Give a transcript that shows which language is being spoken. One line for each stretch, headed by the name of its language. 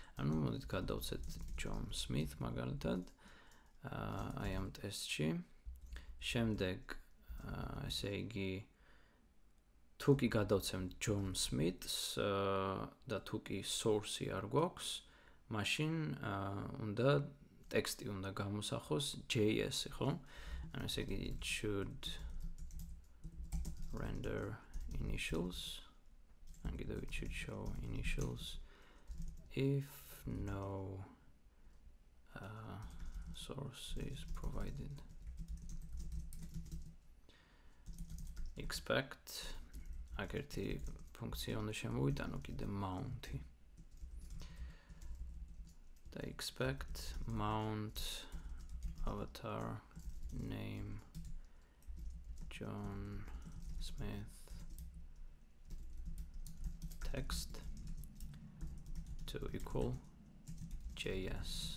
Georgian: ანუ მოდით გადავცეთ John Smith მაგალითად, აი ამ ტესტში. შემდეგ, ესე იგი, თუკი გადავცემ John Smith-ს და თუკი source-ი არ გვაქვს, მაშინ უნდა ტექსტი უნდა გამოსახოს JS-ი, ხო? ანუ ესე იგი
English: should render initials and give it should show initials if no source is provided.
Georgian: expect აგერთი ფუნქცია უნდა შემოვიტანო კიდე mount-ი. და
English: expect mount avatar name John Smith text to equal js.